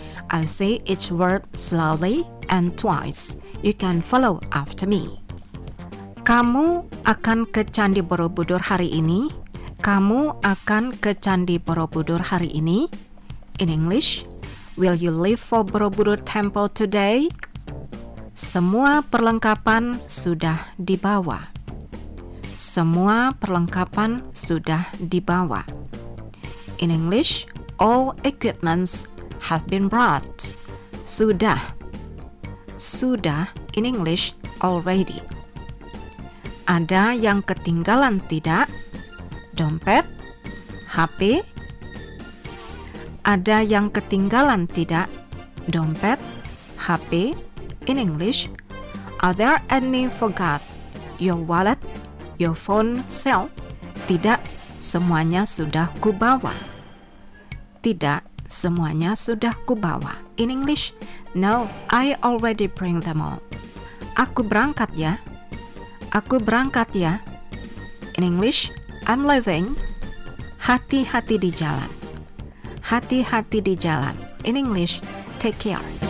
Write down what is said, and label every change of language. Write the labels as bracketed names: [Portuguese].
[English] I'll say each word slowly and twice. You can follow after me. [Indonesian] Kamu akan ke Candi Borobudur hari ini? Kamu akan ke Candi Borobudur hari ini? [English] In English, will you leave for Borobudur Temple today? [Indonesian] Semua perlengkapan sudah dibawa. Semua perlengkapan sudah dibawa. [English] In English, all equipments have been brought. [Indonesian] Sudah. Sudah [English] in English already. [Indonesian] Ada yang ketinggalan tidak? Dompet, HP, ada yang ketinggalan tidak? Dompet, HP, [English] in English, are there any forgot? Your wallet, your phone, cell? [Indonesian] Tidak, semuanya sudah kubawa. Tidak, semuanya sudah kubawa. [English] In English, no, I already bring them all. [Indonesian] Aku berangkat ya. Aku berangkat ya. [English] In English, I'm leaving. [Indonesian] Hati-hati di jalan. Hati-hati di jalan. [English] In English, take care.